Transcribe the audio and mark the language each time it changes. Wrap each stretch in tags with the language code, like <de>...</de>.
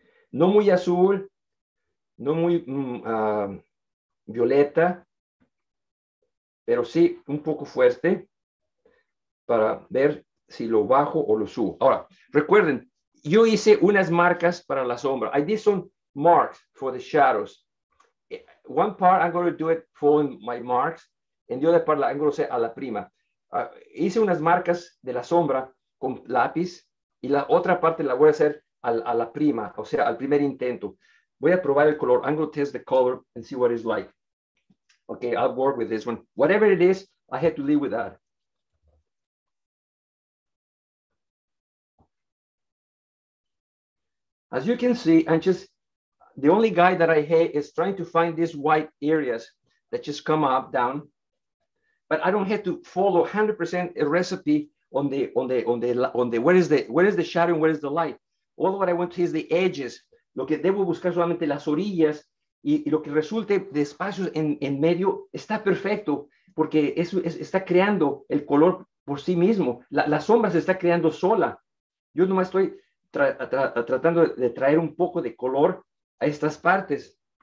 <es>No muy azul, no muy violeta, pero sí un poco fuerte para ver si lo bajo o lo subo. Ahora, recuerden, yo hice unas marcas para la sombra.</es> <en>I did some marks for the shadows. One part I'm going to do it following my marks, and the other part I'm going to say a la prima.</en> <es>Hice unas marcas de la sombra con lápiz, y la otra parte la voy a hacer a la prima, o sea, al primer intento. Voy a probar el color.</es> <en>I'm going to test the color and see what it's like. Okay, I'll work with this one. Whatever it is, I had to live with that. As you can see, I'm just, the only guy that I hate is trying to find these white areas that just come up, down. But I don't have to follow 100% a recipe where is the shadow and where is the light. All what I want to is the edges.</en> <es>Lo que debo buscar solamente las orillas. Y lo que resulte de espacios en medio está perfecto, porque eso está creando el color por sí mismo. La sombra se está creando sola. Yo nomás estoy tratando de traer un poco de color a estas partes.</es>